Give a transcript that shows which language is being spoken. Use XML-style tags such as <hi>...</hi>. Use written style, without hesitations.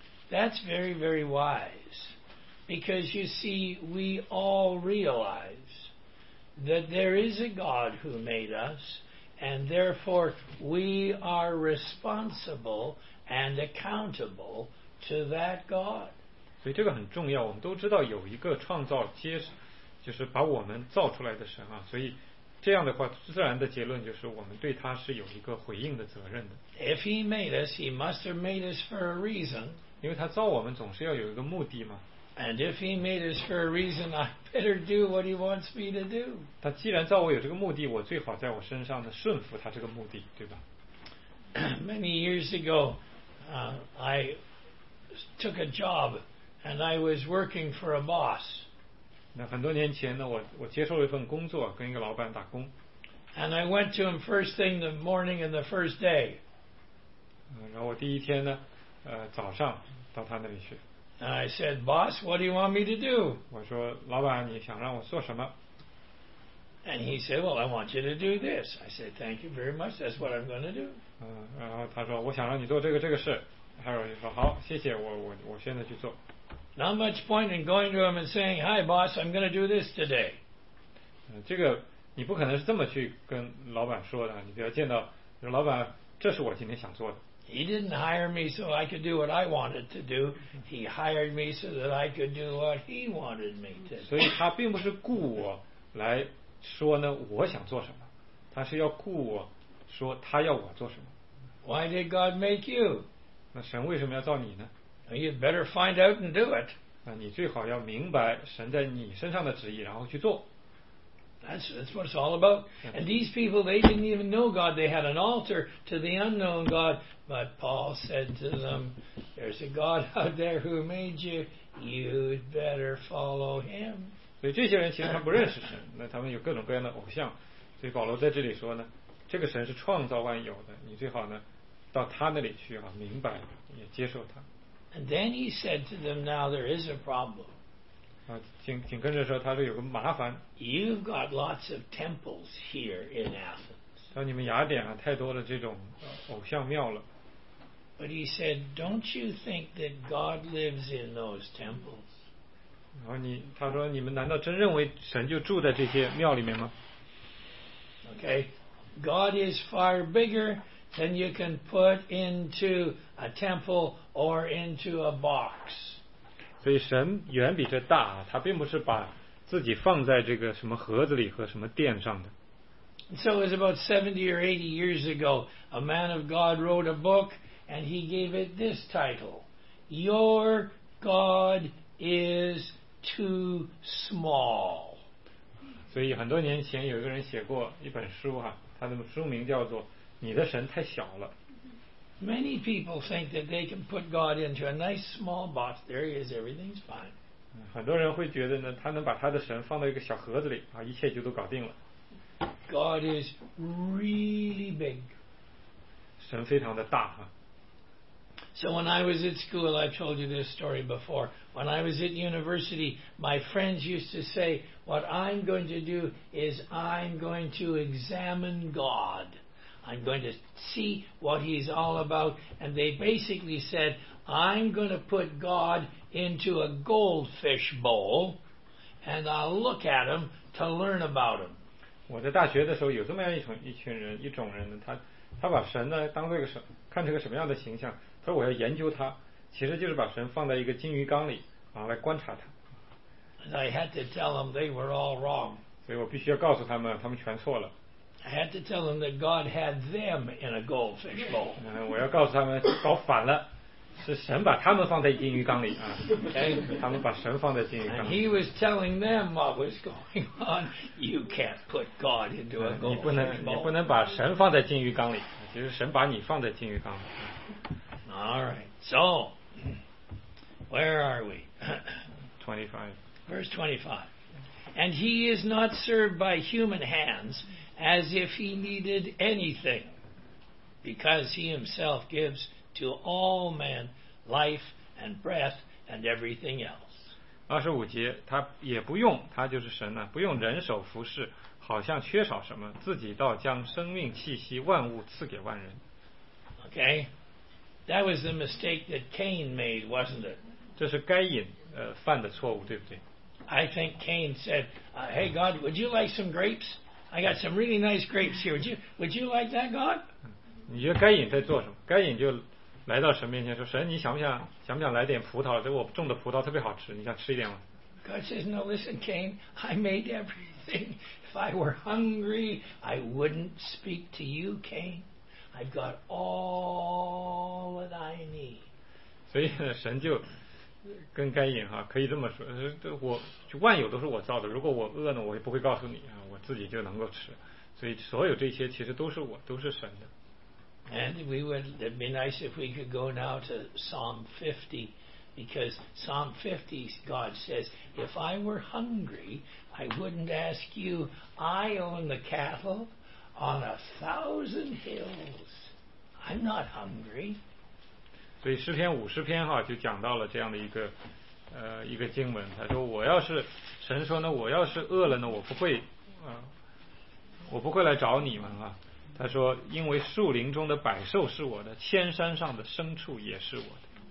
<en>That's very, very wise. Because you see, we all realize that there is a God who made us. And therefore, we are responsible and accountable to that God.</en> <zh>所以这个很重要，我们都知道有一个创造接，就是把我们造出来的神啊。所以这样的话，自然的结论就是我们对他是有一个回应的责任的。</zh> <en>If he made us, he must have made us for a reason.</en> <zh>因为他造我们总是要有一个目的嘛。</zh> <en>And if he made us for a reason, I better do what he wants me to do.</en> <zh>他既然造我有这个目的，我最好在我身上呢顺服他这个目的，对吧？</zh> <en>Many years ago, I took a job, and I was working for a boss.</en> <zh>那很多年前呢，我接受了一份工作，跟一个老板打工。</zh> <en>And I went to him first thing the morning and the first day.</en> <zh>然后我第一天呢，早上到他那里去。</zh> <en>And I said, Boss, what do you want me to do?</en> <zh>我说，老板，你想让我做什么？</zh> <en>And he said, Well, I want you to do this. I said, Thank you very much. That's what I'm going to do.</en> <zh>然后他说，我想让你做这个事。 Harold 说，好，谢谢，我现在去做。</zh> <en>Not much point in going to him and saying, Hi, boss, I'm going to do this today.</en> <zh>这个你不可能是这么去跟老板说的。你只要见到，你说，老板，这是我今天想做的。</zh> <en>He didn't hire me so I could do what I wanted to do. He hired me so that I could do what he wanted me to do.</en> <zh>所以他并不是雇我来说呢我想做什么，他是要雇我说他要我做什么。</zh> <en>Why did God make you?</en> <zh>那神为什么要造你呢？</zh> <en>You'd better find out and do it.</en> <zh>那你最好要明白神在你身上的旨意，然后去做。</zh> <en>That's what it's all about. And these people, they didn't even know God. They had an altar to the unknown God. But Paul said to them, there's a God out there who made you. You'd better follow him.</en> <zh>所以这些人其实他不认识神，那他们有各种各样的偶像。所以保罗在这里说呢，这个神是创造万有的，你最好呢到他那里去啊，明白也接受他。</zh> <en>And then he said to them, now there is a problem.</en> <zh>啊，紧跟着说他说有个麻烦。</zh> <en>You've got lots of temples here in Athens.</en> <zh>你们雅典啊，太多的这种偶像庙了。</zh> <en>But he said, don't you think that God lives in those temples?</en> <zh>然后你他说你们难道真认为神就住在这些庙里面吗？</zh> <en>Okay, God is far bigger than you can put into a temple or into a box.</en> <zh>所以神远比这大，他并不是把自己放在这个什么盒子里和什么殿上的。</zh> <en>So it was about 70 or 80 years ago, a man of God wrote a book and he gave it this title, Your God is Too Small.</en> <zh>所以很多年前有一个人写过一本书啊，他的书名叫做你的神太小了。</zh> <en>Many people think that they can put God into a nice small box. There he is, everything's fine.</en> <zh>很多人会觉得呢，他能把他的神放到一个小盒子里啊，一切就都搞定了。</zh> <en>God is really big.</en> <zh>神非常的大啊。</zh> <en>So when I was at school, I've told you this story before. When I was at university, my friends used to say, what I'm going to do is I'm going to examine God. I'm going to see what he's all about. And they basically said, I'm going to put God into a goldfish bowl and I'll look at him to learn about him.</en> <zh>我在大学的时候有这么样一种人呢，他把神呢当作一个什看成个什么样的形象，他说我要研究他，其实就是把神放在一个金鱼缸里啊，来观察他。</zh> <en>And I had to tell them they were all wrong.</en> <zh>所以我必须要告诉他们，他们全错了。</zh> <en>I had to tell them that God had them in a goldfish bowl.</en> <zh>我要告诉他们搞反了，是神把他们放在金鱼缸里啊。</zh> <en>Okay.</en> <zh>他们把神放在金鱼缸里。</zh> <en>And he was telling them what was going on. You can't put God into a goldfish bowl.</en> <zh>你不能把神放在金鱼缸里，其实神把你放在金鱼缸里。</zh> <en>All right, so, where are we? 25. Verse 25. And he is not served by human hands as if he needed anything, because he himself gives to all men life and breath and everything else.</en> <zh>25节，他也不用，他就是神呢，不用人手服侍，好像缺少什么，自己倒将生命气息万物赐给万人。</zh> <en>Okay. That was the mistake that Cain made, wasn't it?</en> <zh>这是该隐犯的错误，对不对？</zh> <en>I think Cain said, hey God, would you like some grapes? I got some really nice grapes here. Would you like that, God?</en> <zh>你觉得该隐在做什么？该隐就来到神面前说，神，你想不想来点葡萄？这我种的葡萄特别好吃，你想吃一点吗？</zh> <en>God says, no, listen, Cain, I made everything. If I were hungry, I wouldn't speak to you, Cain. I've got all that I need.</en> <zh>所以神就跟该隐哈，可以这么说，我就万有都是我造的，如果我饿呢，我也不会告诉你啊，我自己就能够吃。所以所有这些其实都是我，都是神的。</zh> <en>And it'd be nice if we could go now to Psalm 50, because Psalm 50, God says, if I were hungry, I wouldn't ask you, I own the cattle. On a thousand hills, I'm not hungry.</en> <zh>所以诗篇五十篇哈就讲到了这样的一个经文。他说，我要是神说呢，我要是饿了呢，我不会来找你们啊。他说，因为树林中的百兽是我的，千山上的牲畜也是我的。</zh>